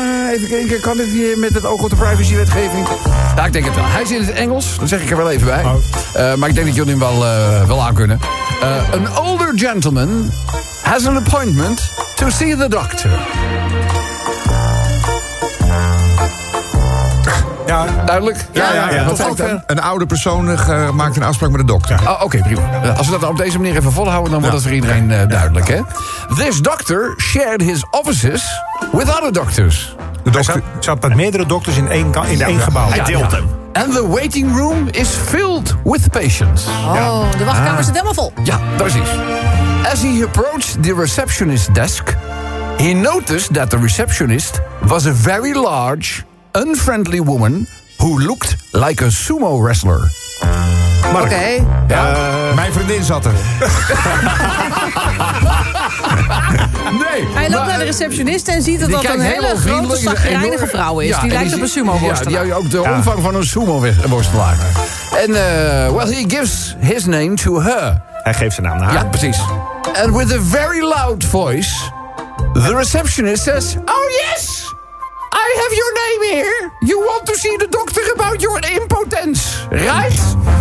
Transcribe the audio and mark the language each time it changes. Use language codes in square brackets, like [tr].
[nl] Even kijken, kan het hier met het oog op de privacywetgeving? Ja, ik denk het wel. Hij zit in het Engels, dat zeg ik er wel even bij. Maar ik denk dat jullie hem wel aankunnen. [en] An older gentleman has an appointment to see the doctor. [nl] Ja. Duidelijk? Ja. Een oude persoon maakt een afspraak met de dokter. Ja. Oké, prima. Als we dat op deze manier even volhouden, dan wordt dat voor iedereen duidelijk. Ja. Hè? [en] This doctor shared his offices with other doctors. [nl] De dokter zat met meerdere dokters in één gebouw. Hij deelt hem. [en] And the waiting room is filled with patients. [nl] De wachtkamer zit helemaal vol. Ja, precies. [en] As he approached the receptionist desk, he noticed that the receptionist was a very large, unfriendly woman who looked like a sumo wrestler. Mark. Okay. [nl] Ja. Mijn vriendin zat er. Nee. Hij loopt naar de receptionist en ziet dat een hele grote, chagrijnige vrouw is. Die lijkt op een sumo-worstelaar. Ja, die ook de omvang van een sumo-worstelaar. En, [en] he gives his name to her. [nl] Hij geeft zijn naam naar haar. Ja, precies. [en] And with a very loud voice, the receptionist says, oh yes! I have your name here. You want to see the doctor about your impotence, right?